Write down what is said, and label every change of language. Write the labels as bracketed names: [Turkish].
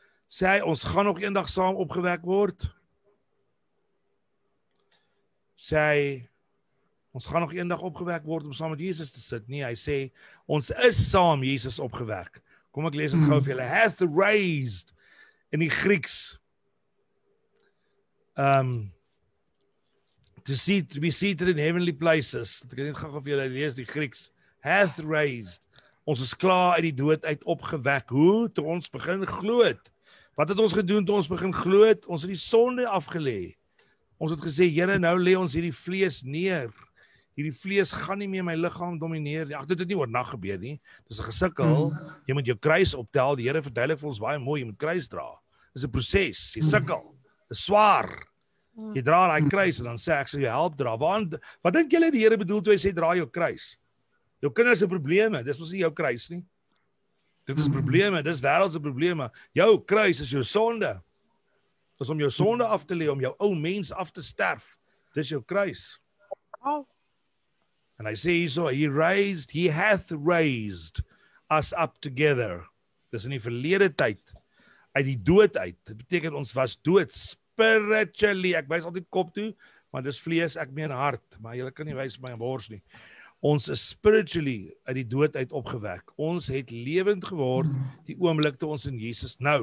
[Afrikaans] Sê hy, ons gaan nog eendag saam opgewek word. Sê hy, ons gaan nog eendag opgewek word om saam met Jesus te sit. Nee, hy sê, ons is saam Jesus opgewek. Kom, ek lees het gauw vir julle. [English] Hath raised [Afrikaans] in die Grieks. [English] To be seated in heavenly places. [Afrikaans] Ek het net gauw vir julle lees die Grieks. [English] Hath raised. [Afrikaans] Ons is klaar uit die dood uit opgewek. Hoe? To ons begin gloed. Wat het ons gedoen toe ons begin gloed? Ons het die sonde afgelê. Ons het gesê, Here, nou lê ons hierdie vlees neer. Hierdie vlees gaan nie meer my liggaam domineer. Ach, dit het nie oornag gebeur nie. Dis 'n gesukkel. Jy moet jou kruis optel. Die Here verduidelik vir ons baie mooi, jy moet kruis dra. Dis 'n proses. Jy sukkel. Dis swaar. Jy dra daai kruis en dan sê ek sal jou help dra. Want wat dink julle die Here bedoel toe hy sê dra jou kruis? Jou kinders se probleme, dis mos nie jou kruis nie. Dit is probleme, dis wêreldse probleme. Jou kruis is jou sonde. Dis om jou sonde af te lê, om jou ou mens af te sterf. Dis jou kruis. [English] And I say so, he hath raised us up together. [Afrikaans] Dis in die verlede tyd, uit die dood uit. Dit beteken ons was dood, spiritually. Ek wys altyd kop toe, maar dis vlees, ek meen hart. Maar julle kan nie wys my bors nie. Ons is spiritually uit die dood uit opgewek. Ons het lewend geword die oomblik toe ons in Jesus. Nou.